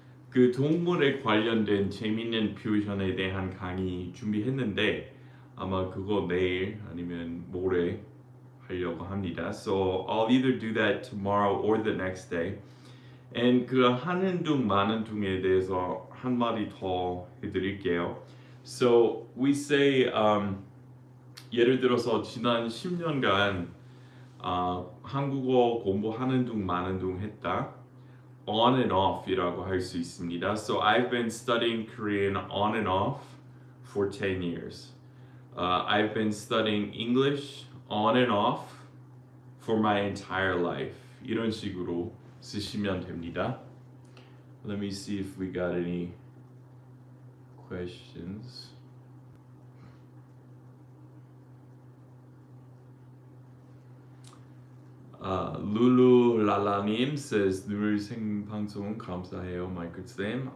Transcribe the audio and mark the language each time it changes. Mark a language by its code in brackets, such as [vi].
[ko] 그 동물에 관련된 재미있는 표현에 대한 강의 준비했는데 아마 그거 내일 아니면 모레 하려고 합니다. [en] So I'll either do that tomorrow or the next day. [ko] And 그 하는 둥 마는 둥에 대해서 한 마디 더 해드릴게요. So we say 예를 들어서 지난 10년간 한국어 공부하는 둥 마는 둥 했다. On and off 이라고 할 수 있습니다. [en] So I've been studying Korean on and off for 10 years. I've been studying English on and off for my entire life. [ko] 이런 식으로 쓰시면 됩니다. [en] Let me see if we got any questions. Lulu Lala Nim says, 늘 생방송 감사해요, Michael Sam.